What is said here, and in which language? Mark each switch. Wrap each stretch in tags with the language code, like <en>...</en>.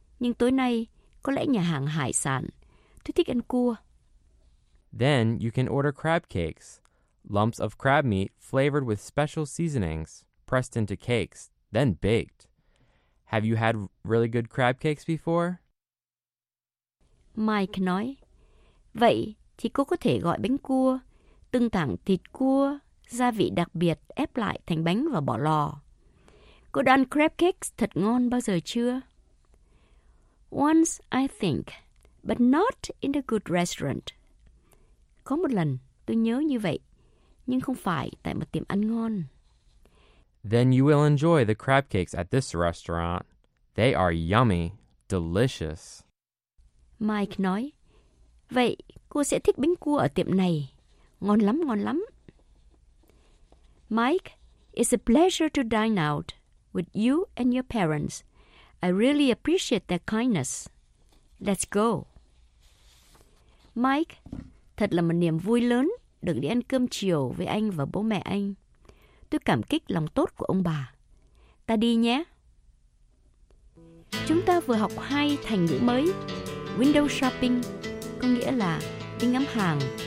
<vi>Nhưng tối nay, có lẽ nhà hàng hải sản. Tôi thích ăn cua.</vi> <en>Then you can order crab cakes. Lumps of crab meat flavored with special seasonings, pressed into cakes, then baked. Have you had really good crab cakes before?</en> <vi>Mike nói, vậy thì cô có thể gọi bánh cua, từng tảng thịt cua, gia vị đặc biệt ép lại thành bánh và bỏ lò. Cô đã ăn crab cakes thật ngon bao giờ chưa?</vi> <en>Once, I think, but not in a good restaurant.</en> <vi>Có một lần, tôi nhớ như vậy, nhưng không phải tại một tiệm ăn ngon.</vi> <en>Then you will enjoy the crab cakes at this restaurant. They are yummy, delicious.</en> <vi>Mike nói, vậy cô sẽ thích bánh cua ở tiệm này. Ngon lắm, ngon lắm.</vi> <en>Mike, it's a pleasure to dine out with you and your parents. I really appreciate their kindness. Let's go.</en> <vi>Mike, thật là một niềm vui lớn được đi ăn cơm chiều với anh và bố mẹ anh. Tôi cảm kích lòng tốt của ông bà. Ta đi nhé. Chúng ta vừa học hai thành ngữ mới. Window shopping có nghĩa là đi ngắm hàng.</vi>